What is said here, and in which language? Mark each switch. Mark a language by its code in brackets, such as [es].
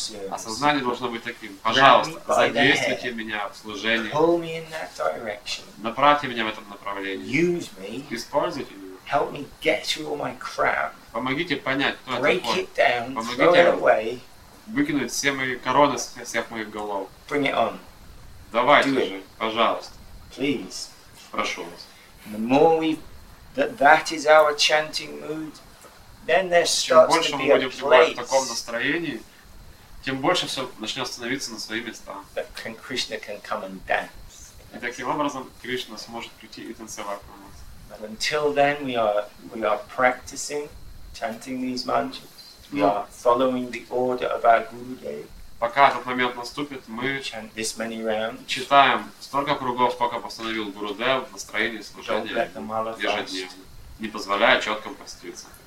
[ru] Осознание должно быть таким. Пожалуйста, задействуйте меня в служении. Направьте меня в этом направлении. Используйте меня. Помогите понять, кто я такой. Помогите выкинуть все мои короны с всех моих голов. Давайте же, пожалуйста. Прошу вас. [en] The more that is our chanting mood, then there starts to be a place. [ru] Чем больше мы будем пребывать в таком настроении, тем больше все начнет становиться на свои места. [en] That Krishna can come and dance. [ru] И таким образом Кришна сможет прийти и танцевать на нас. [en] But until then, we are practicing, chanting these mantras. We are following the order of our Gurudev. [ru] Пока этот момент наступит, мы читаем столько кругов, сколько постановил Гурудев в настроении служения ежедневно, не позволяя четко поститься.